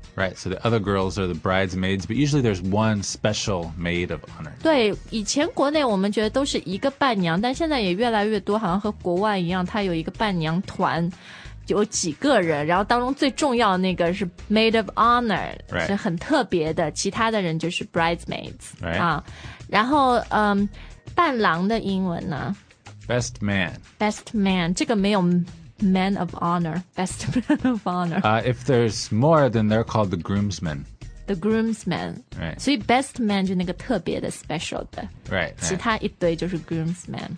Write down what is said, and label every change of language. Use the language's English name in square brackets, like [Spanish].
[English] Right, so the other girls are the bridesmaids, but usually there's one special maid of honor. [Chinese] 对, 以前国内我们觉得都是一个伴娘, 但现在也越来越多, 好像和国外一样, 她有一个伴娘团, 有几个人, 然后当中最重要的那个是 maid of honor, [English] right. [Chinese] 是很特别的, 其他的人就是bridesmaids. [English] Right. [Chinese] 然后, 伴郎的英文呢? [English] Best man. [Chinese] Best man, 这个没有 [English] Man of honor, best man of honor. If there's more, then they're called the groomsmen. The groomsmen. Right. [Chinese] 所以 best man 就那个特别的 special 的。 [English] Right. [Chinese] 其他一堆就是 groomsmen.